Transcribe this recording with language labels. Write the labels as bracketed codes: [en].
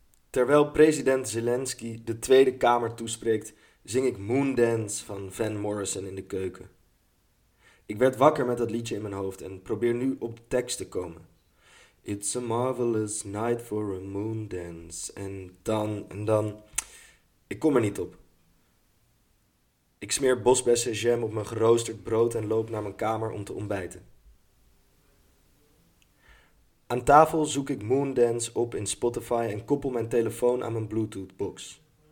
[nl] Terwijl president Zelensky de Tweede Kamer toespreekt, zing ik Moondance van Van Morrison in de keuken. Ik werd wakker met dat liedje in mijn hoofd en probeer nu op de tekst te komen. [en] It's a marvelous night for a moondance. [nl] En dan... Ik kom er niet op. Ik smeer bosbessenjam op mijn geroosterd brood en loop naar mijn kamer om te ontbijten. Aan tafel zoek ik Moondance op in Spotify en koppel mijn telefoon aan mijn Bluetooth-box.